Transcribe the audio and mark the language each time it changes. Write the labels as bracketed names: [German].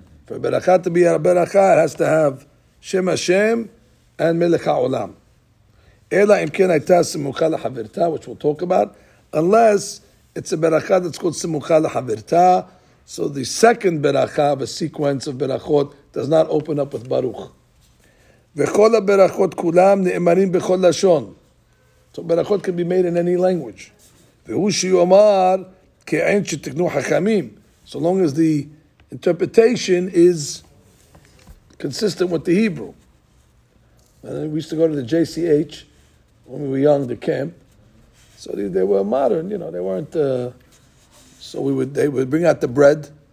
[English] For beracha to be a beracha, it has to have Shem Hashem and Melech ha'olam. [Hebrew] Ela imken hayta simucha l'chavirta, [English] which we'll talk about, unless it's a beracha that's called simucha l'chavirta. So the second beracha of a sequence of berachot does not open up with Baruch. [Hebrew] וכל הברכות כולם נאמרים בכל לשון. [English] So ברכות can be made in any language. [Hebrew] והוא שיאמר כעין שתקנו חכמים. [English] So long as the interpretation is consistent with the Hebrew. And we used to go to the JCH when we were young, the camp. So they were modern, you know, they weren't. So they would bring out the bread.